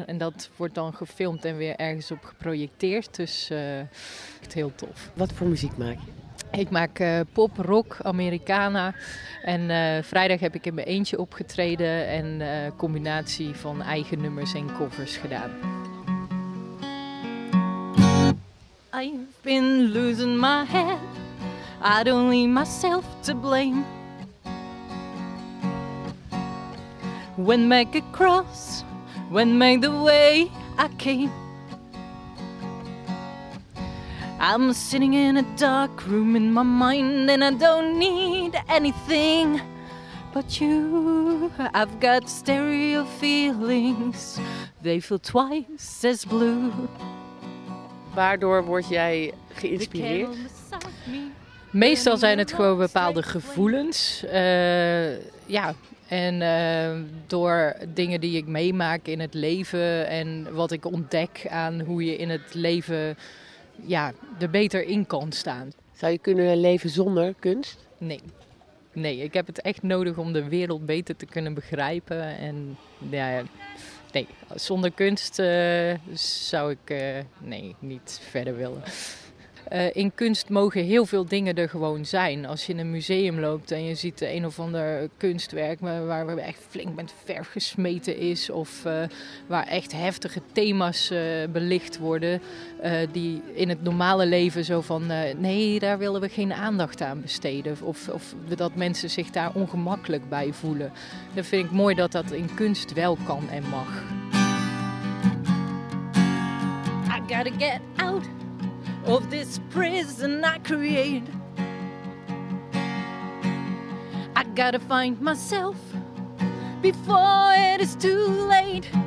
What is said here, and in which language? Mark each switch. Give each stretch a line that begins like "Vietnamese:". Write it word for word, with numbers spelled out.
Dutch: En dat wordt dan gefilmd en weer ergens op geprojecteerd. Dus uh, echt heel tof. Wat voor muziek maak je? Ik maak uh, pop, rock, Americana en uh, vrijdag heb ik in mijn eentje opgetreden en uh, combinatie van eigen nummers en covers gedaan.
English: I've been losing my head, I don't need myself to blame. When make a cross, when make the way I came. I'm sitting in a dark room in my mind and I don't need anything but you. I've got stereo feelings, they feel twice as blue.
Dutch: Waardoor word jij geïnspireerd? Meestal zijn het gewoon bepaalde gevoelens. Uh, ja. En uh, door dingen die ik meemaak in het leven en wat ik ontdek aan hoe je in het leven... ja, er beter in kan staan. Zou je kunnen leven zonder kunst? Nee. Nee, ik heb het echt nodig om de wereld beter te kunnen begrijpen. En ja, nee, zonder kunst uh, zou ik uh, nee, niet verder willen. Uh, in kunst mogen heel veel dingen er gewoon zijn. Als je in een museum loopt en je ziet een of ander kunstwerk waar, waar echt flink met verf gesmeten is. Of uh, waar echt heftige thema's uh, belicht worden. Uh, die in het normale leven zo van uh, nee, daar willen we geen aandacht aan besteden. Of, of dat mensen zich daar ongemakkelijk bij voelen. Dan vind ik mooi dat dat in kunst wel kan en mag.
English: I gotta get out of this prison I create. I gotta find myself before it is too late.